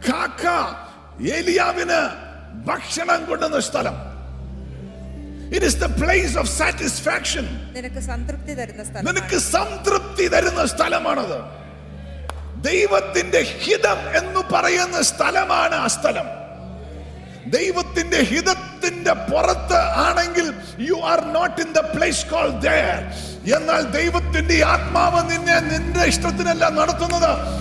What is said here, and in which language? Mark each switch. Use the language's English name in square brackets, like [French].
[Malayalam] കാക്ക ഏലിയാവിന് ഭക്ഷണം കൊണ്ടുവന്ന സ്ഥലം. [English] It is the place of satisfaction. [Malayalam] നിനക്ക് സംതൃപ്തി തരുന്ന സ്ഥലം. നിനക്ക് സംതൃപ്തി തരുന്ന സ്ഥലമാണത്. ദൈവത്തിന്റെ ഹിതം എന്ന് പറയുന്ന സ്ഥലമാണ് ആ സ്ഥലം. ദൈവത്തിന്റെ ഹിതത്തിന്റെ പുറത്ത് ആണെങ്കിൽ [English] You are not in the place called there. [Malayalam] എന്നാൽ ദൈവത്തിന്റെ ആത്മാവ് നിന്നെ നിന്റെ ഇഷ്ടത്തിനല്ല നടത്തുന്നത്,